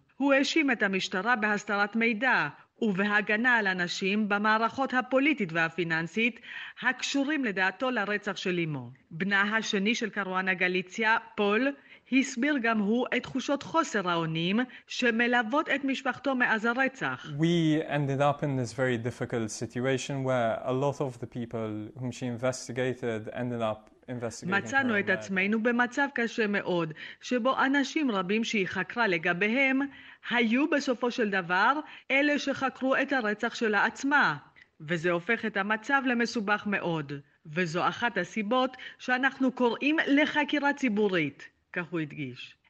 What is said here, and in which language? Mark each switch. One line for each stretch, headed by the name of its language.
Hebrew: הוא האשים את המשטרה בהסתרת מידע ובהגנה על אנשים במערכות הפוליטית והפיננסית הקשורים לדעתו לרצח של אמו. בנה השני של קרואנה גליציה, פול, הסביר גם הוא את תחושות חוסר האונים שמלוות את משפחתו מאז הרצח.
English: We ended up in this very difficult situation where a lot of the people whom she investigated ended up
Hebrew: מצאנו את עצמנו במצב קשה מאוד, שבו אנשים רבים שהיא חקרה לגביהם, היו בסופו של דבר אלה שחקרו את הרצח שלה עצמה. וזה הופך את המצב למסובך מאוד. וזו אחת הסיבות שאנחנו קוראים לחקירה ציבורית, כך הוא הדגיש.